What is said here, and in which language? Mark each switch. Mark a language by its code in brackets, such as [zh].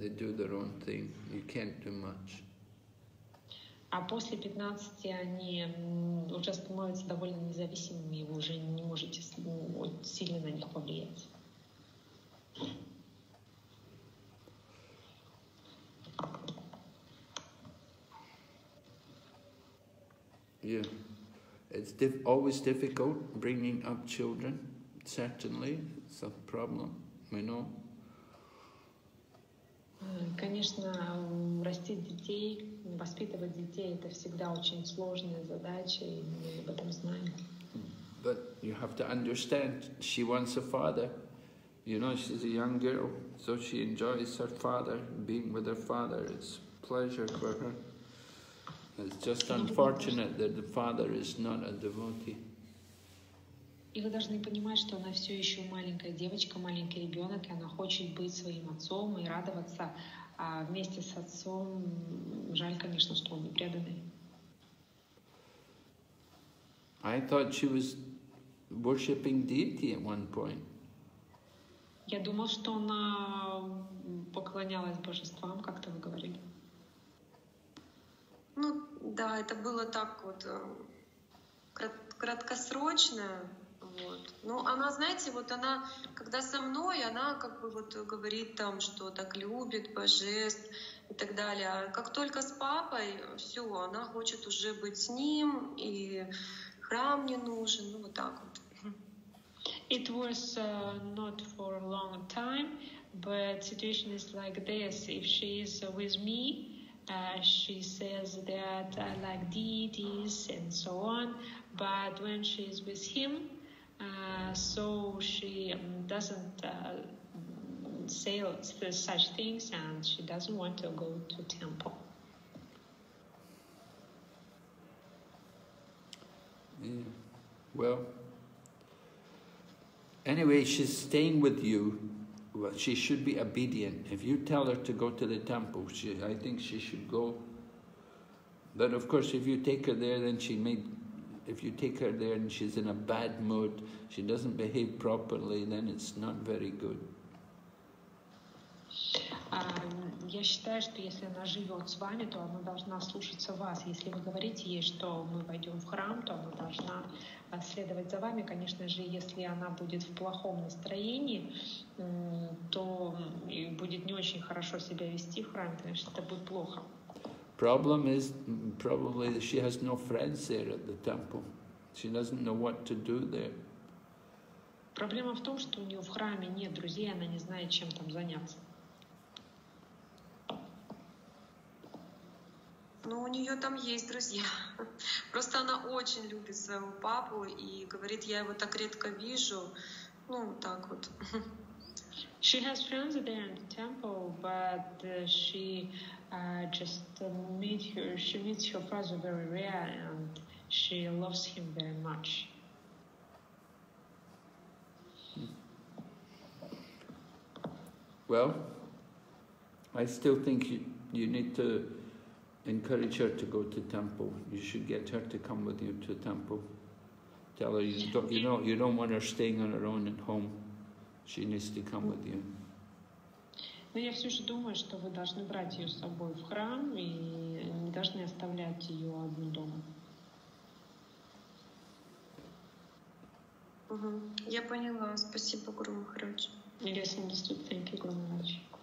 [en] They do their own thing. You can't do much. [ru] А после 15 они уже становятся довольно независимыми, и вы уже не можете сильно на них повлиять. [en] Yeah. It's always difficult bringing up children. Certainly, it's a problem, we know. [ru] Конечно, растить детей, воспитывать детей — это всегда очень сложная задача, и мы об этом знаем. [en] But you have to understand, she wants a father. You know, she's a young girl, so she enjoys her father, being with her father. It's a pleasure for her. It's just unfortunate that the father is not a devotee. [ru] И вы должны понимать, что она все еще маленькая девочка, маленький ребенок, и она хочет быть своим отцом и радоваться вместе с отцом. Жаль, конечно, что он не преданный. [en] I thought she was worshiping deity at one point. [ru] Я думал, что она поклонялась божествам, как-то вы говорили. Ну, да, это было так вот краткосрочно. Вот. Ну, она, знаете, вот она, когда со мной, она как бы вот говорит там, что так любит божеств и так далее. А как только с папой, все, она хочет уже быть с ним, и храм не нужен, ну, вот так вот. [en] It was not for a long time, but situation is like this. If she is with me, she says that I like deities and so on, but when she is with him, so she doesn't say such things, and she doesn't want to go to temple. Yeah. Well, anyway, she's staying with you. Well, she should be obedient. If you tell her to go to the temple, I think she should go. But of course, if you take her there, then she may. If you take her there and she's in a bad mood, she doesn't behave properly, then it's not very good. [ru] Я считаю, что если она живет с вами, то она должна слушаться вас. Если вы говорите ей, что мы войдем в храм, то она должна следовать за вами. Конечно же, если она будет в плохом настроении, то будет не очень хорошо себя вести в храме, конечно, это будет плохо. [en] Problem is, probably she has no friends there at the temple. She doesn't know what to do there. [ru] Проблема в том, что у нее в храме нет друзей, она не знает, чем там заняться. Ну, у нее там есть друзья. Просто она очень любит своего папу и говорит, я его так редко вижу. Ну, так вот. [en] She has friends there in the temple, but she just meets her father very rare, and she loves him very much. Well, I still think you need to encourage her to go to temple. You should get her to come with you to temple. Tell her you don't want her staying on her own at home. She needs to come with you. [ru] Но я все же думаю, что вы должны брать ее с собой в храм и не должны оставлять ее одну дома. Я поняла. Спасибо, Гуру Махарадж. [en] Yes, understood. Thank you, Гуру Махарадж.